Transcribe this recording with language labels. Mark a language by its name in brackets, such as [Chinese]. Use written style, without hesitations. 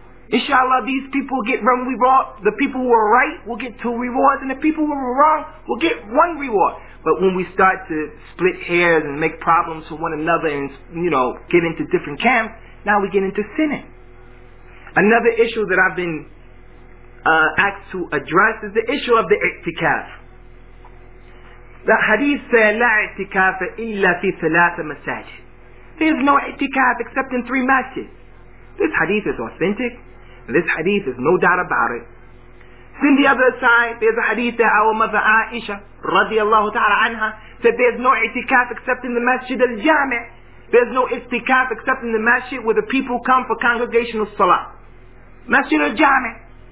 [English] Inshallah, these people get one reward. The people who are right will get two rewards, and the people who are wrong will get one reward. But when we start to split hairs and make problems for one another and, you know, get into different camps, now we get into sinning. Another issue that I've been asked to address is the issue of the i'tikaf. The hadith says, [Arabic] لا اعتكاف إلا في ثلاثة مساجد. [English] There's no i'tikaf except in three masjids. This hadith is authentic. This hadith is no doubt about it. Then the other side, there's a hadith that our mother Aisha, radiallahu ta'ala anha, said there's no i'tikaf except in the masjid al-jami'. There's no i'tikaf except in the masjid where the people come for congregational salah. Masjid al-jami'.